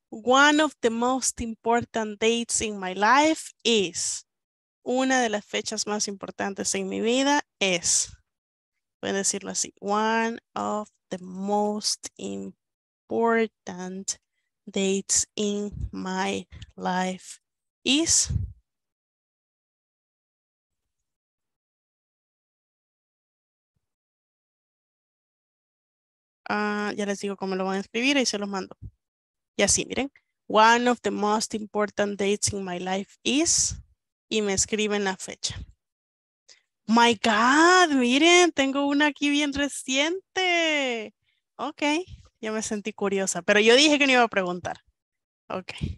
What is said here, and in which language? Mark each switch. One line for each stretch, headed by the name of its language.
English: One of the most important dates in my life is.
Spanish: Una de las fechas más importantes en mi vida es. Pueden decirlo así.
English: One of the most important dates in my life is.
Spanish: Ya les digo cómo lo van a escribir y se los mando. Y así, miren.
English: One of the most important dates in my life is.
Spanish: Y me escriben la fecha. My God, miren, tengo una aquí bien reciente. Ok, ya me sentí curiosa, pero yo dije que no iba a preguntar. Ok.